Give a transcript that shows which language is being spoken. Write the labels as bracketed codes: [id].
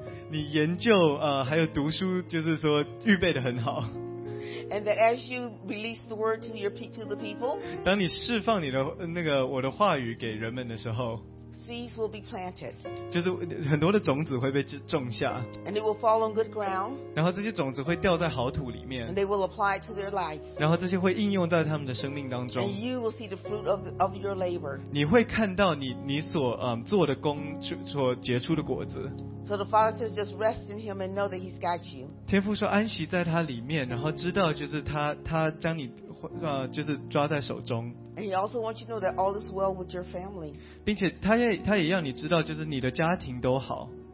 [zh] 你研究还有读书，就是说预备得很好。 [en] And that as you release the word to the people, [zh] 当你释放你的那个我的话语给人们的时候 [en] ，seeds will be planted. [zh] 就是很多的种子会被种下 [en] ，and it will fall on good ground. [zh] 然后这些种子会掉在好土里面 [en] ，and they will apply to their life. [zh] 然后这些会应用在他们的生命当中 [en] ，and you will see the fruit of your labor. [zh] 你会看到你所做的工所结出的果子。 [en] So the Father says, "Just rest in Him and know that He's got you." [zh] 天父说安息在他里面，然后知道就是他将你就是抓在手中。 [en] And He also wants you to know that all is well with your family. [zh] 并且他也要你知道，就是你的家庭都好。